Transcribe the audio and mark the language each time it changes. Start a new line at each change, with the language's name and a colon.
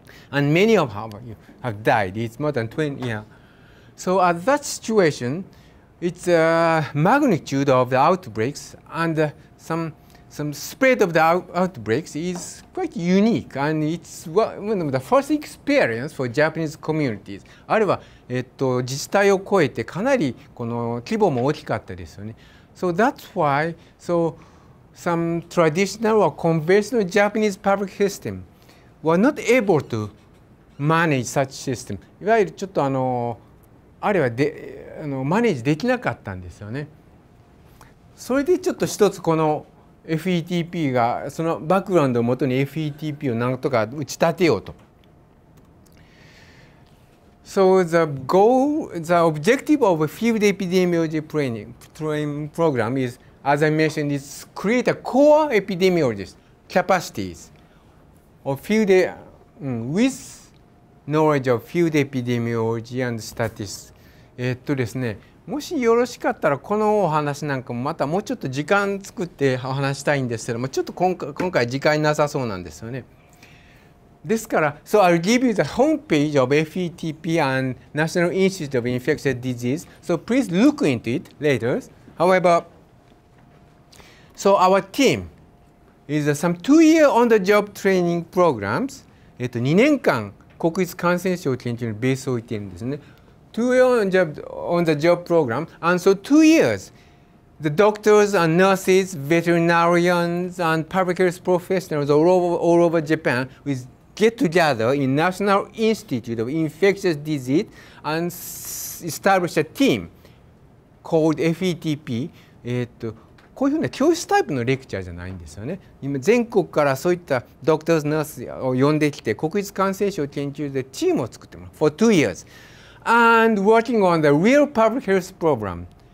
English: And many of them have died. It's more than 20, yeah. So at that situation, it's a magnitude of the outbreaks and some spread of the outbreaks is quite unique. And it's one of the first experience for Japanese communities.
Japanese: あるいは、自治体を超えてかなりこの規模も大きかったですよね。
English: So that's why so some traditional or conventional Japanese public system were not able to manage such system.
Japanese: いわゆるちょっとあれはマネージできなかったんですよね。それでちょっと一つこの FETP がそのバックグラウンドをもとに FETP をなんとか打ち立てようと。
English: So the goal, the objective of a field epidemiology training program is, as I mentioned, is create a core epidemiologist capacities of field withKnowledge of field epidemiology and statistics.
Japanese: ですね、もしよろしかったらこのお話なんかもまたもうちょっと時間作ってお話したいんですけども、ちょっと今回時間なさそうなんですよね。ですから、
English: So I'll give you the homepage of FETP and National Institute of Infectious Disease. So please look into it later. However, so our team is some two-year on-the-job training programs.
Japanese: 2年間国立感染症研究所にベースを置いているんですね。
English: 2 years on the job program. And so 2 years, the doctors and nurses, veterinarians and public health professionals all over Japan we get together in National Institute of Infectious Disease and establish a team called FETP.
Japanese: こういうふうな教室タイプのレクチャーじゃないんですよね。今全国からそういったドクターズ・ナースを呼んできて、国立感染症研究所でチームを作ってもらう。
English: For 2 years. And working on the real public health program.